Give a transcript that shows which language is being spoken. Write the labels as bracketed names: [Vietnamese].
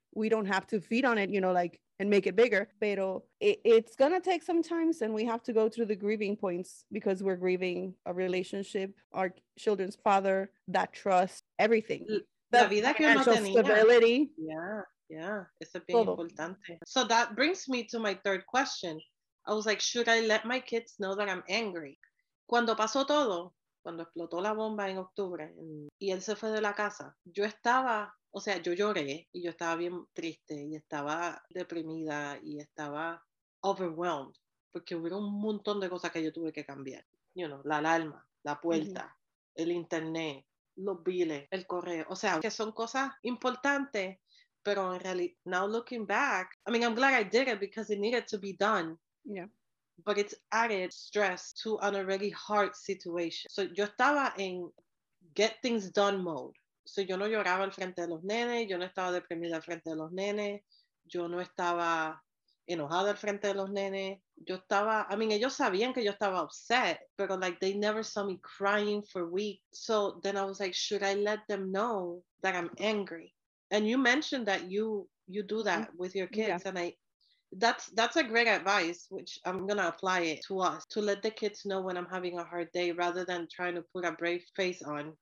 [English] We don't have to feed on it, you know, like, and make it bigger, pero it's gonna take some time, and we have to go through the grieving points because we're grieving a relationship, our children's father, that trust, everything. [Spanish] The vida que uno tenía. [English] Stability. Yeah, it's a big importante. So that brings me to my third question. I was like, should I let my kids know that I'm angry? [Spanish] Cuando pasó todo, cuando explotó la bomba en octubre, y él se fue de la casa, yo estaba... O sea, yo lloré y yo estaba bien triste y estaba deprimida y estaba overwhelmed porque hubo un montón de cosas que yo tuve que cambiar. You know, la alarma, la puerta, mm-hmm. el internet, los billes, el correo. [English] O sea, que son cosas importantes, pero en realidad, now looking back, I mean, I'm glad I did it because it needed to be done. Yeah. But it's added stress to an already hard situation. So yo estaba en get things done mode. [Spanish] So, yo no lloraba al frente de los nenes, yo no estaba deprimida al frente de los nenes, yo no estaba enojada al frente de los nenes, yo estaba, I mean, ellos sabían que yo estaba upset, pero like, they never saw me crying for weeks. [English] So, then I was like, should I let them know that I'm angry? And you mentioned that you do that with your kids, yeah. And that's a great advice, which I'm going to apply it to us, to let the kids know when I'm having a hard day rather than trying to put a brave face on.